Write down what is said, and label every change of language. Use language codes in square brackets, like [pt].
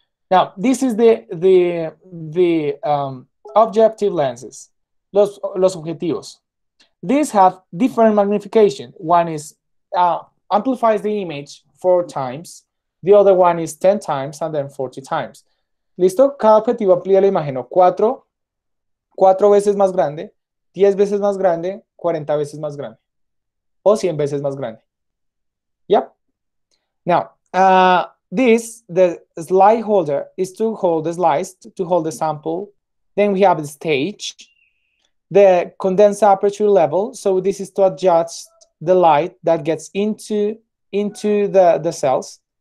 [en] Now, this is the objective lenses, [es] los objetivos. [en] These have different magnification. One is amplifies the image 4 times, the other one is 10 times, and then 40 times. [es] ¿Listo? Cada objetivo amplía la imagen, ¿no? Cuatro veces más grande, 10 veces más grande, 40 veces más grande. o 100 veces más grande. Yep. [en] Now, this, the slide holder, is to hold the slides, to hold the sample. Then we have the stage, the condenser aperture level. So this is to adjust the light that gets into the cells.